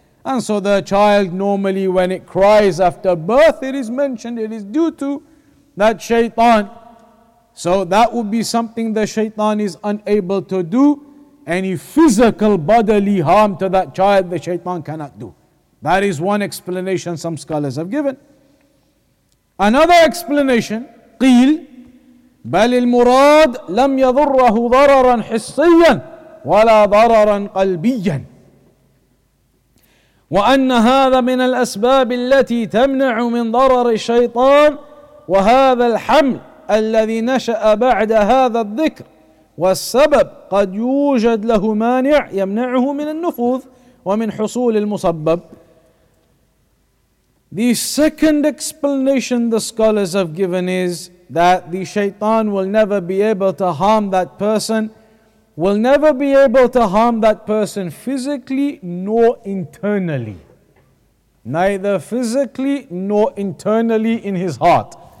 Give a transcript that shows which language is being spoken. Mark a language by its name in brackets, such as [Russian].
[English] And so the child normally, when it cries after birth, it is mentioned it is due to that shaitan. So that would be something the shaitan is unable to do. Any physical bodily harm to that child, the shaitan cannot do. That is one explanation some scholars have given. Another explanation, [Arabic] قيل بل المراد لم يضره ضررا حسيا ولا ضررا قلبيا وأن هذا من الأسباب التي تمنع من ضرر الشيطان وهذا الحمل الذي نشأ بعد هذا الذكر والسبب قد يوجد له مانع يمنعه من النفوذ ومن حصول المسبب. [English] The second explanation the scholars have given is that the shaitan will never be able to harm that person, will never be able to harm that person physically nor internally. Neither physically nor internally in his heart.